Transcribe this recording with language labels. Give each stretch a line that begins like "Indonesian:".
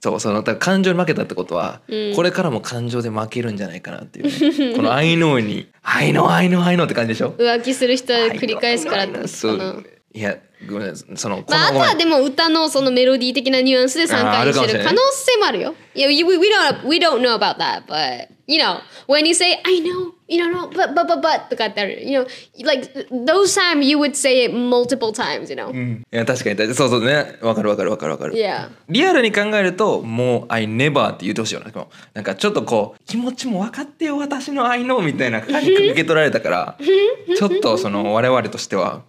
Japanese: そう、そのだから感情に負けたってことは、うん、これからも感情で負けるんじゃないかなっていう、ね、この I know に
English: I know I know I know
Japanese: って感じでしょ。浮気する人は繰り返すからってことかな。いやごめんそ の, この、まあ、あとはでも歌のそのメロディー的なニュアンスで3回にしてる可能性もあるよ。
English: いや、ね、yeah, we don't know about that but you know when you say I know you don't know but
Japanese: とかってある
English: you know like those time you would say it multiple times you know、
Japanese: うん、いや確かに確かにそうそうね、わかるわかるわかるわかる、
English: yeah.
Japanese: リアルに考えるともう
English: I never
Japanese: って言ってほしいよね。なんかちょっとこう気持ちも分かってよ私の I know みたいな感じ受け取られたからちょっとその我々としては、